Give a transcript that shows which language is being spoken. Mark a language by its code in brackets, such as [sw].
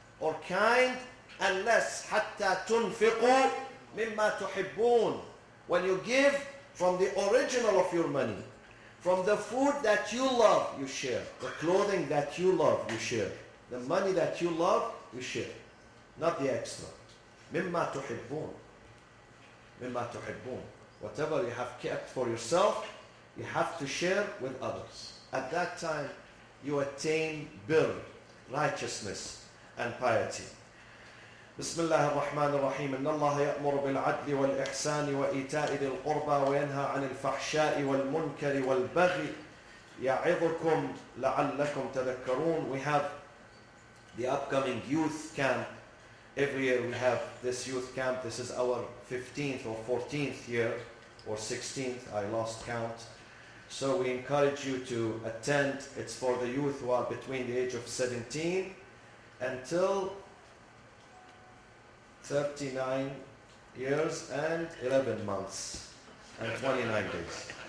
[en] Or kind, unless [ar] حَتَّى تُنْفِقُوا مِمَّا تُحِبُّونَ. [en] When you give from the original of your money, from the food that you love, you share. The clothing that you love, you share. The money that you love, you share. Not the extra. [ar] مِمَّا تُحِبُّونَ. مِمَّا تُحِبُّونَ. [en] Whatever you have kept for yourself, you have to share with others. At that time, you attain birr, righteousness. And piety. [ar] بسم الله الرحمن الرحيم إن الله يأمر بالعدل والإحسان وإيتاء ذي القربى وينهى عن الفحشاء والمنكر والبغي يعظكم لعلكم تذكرون. [en] We have the upcoming youth camp. Every year we have this youth camp. This is our 15th or 14th year or 16th. I lost count. So we encourage you to attend. It's for the youth who are between the age of 17 until 39 years and 11 months and 29 days.